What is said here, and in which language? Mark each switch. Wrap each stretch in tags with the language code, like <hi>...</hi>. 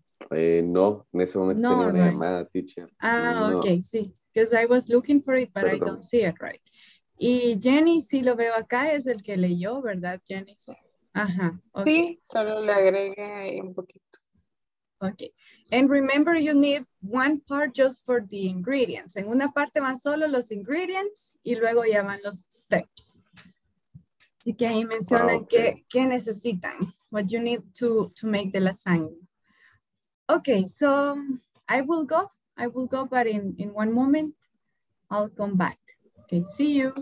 <es>No, en ese momento tenía una llamada, teacher. Ah, no. Okay, sí.</es> <en>Because I was looking for it, but perdón. I don't see it right.</en> <es>Y Jenny, sí lo veo acá, es el que leyó, ¿verdad, Jenny? Sí. Ajá. Okay. Sí, solo le agregué ahí un poquito.</es> <en>Okay. And remember, you need one part just for the ingredients.</en> <es>En una parte van solo los ingredients y luego ya van los steps. Así que ahí mencionan qué necesitan,</es> <en>what you need to make the lasagna. Okay, so I will go, but in one moment, I'll come back. Okay, see you.</en>